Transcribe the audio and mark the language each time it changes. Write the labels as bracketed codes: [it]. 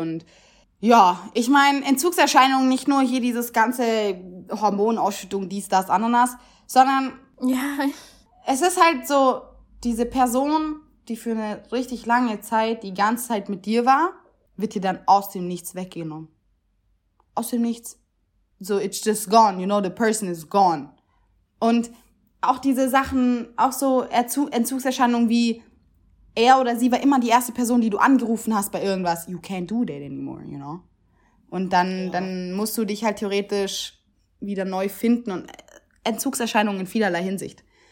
[de] Und ja, ich meine, Entzugserscheinungen, nicht nur hier dieses ganze Hormonausschüttung, dies, das, Ananas, sondern es ist halt so, diese Person, die für eine richtig lange Zeit die ganze Zeit mit dir war, wird dir dann aus dem Nichts weggenommen. Aus dem Nichts. [en] So, it's just gone, you know, the person is gone. [de] Und auch diese Sachen, auch so Entzugserscheinungen wie er oder sie war immer die erste Person, die du angerufen hast bei irgendwas. [en] You can't do that anymore, you know? [de] Und dann musst du dich halt theoretisch wieder neu finden und Entzugserscheinungen in vielerlei Hinsicht.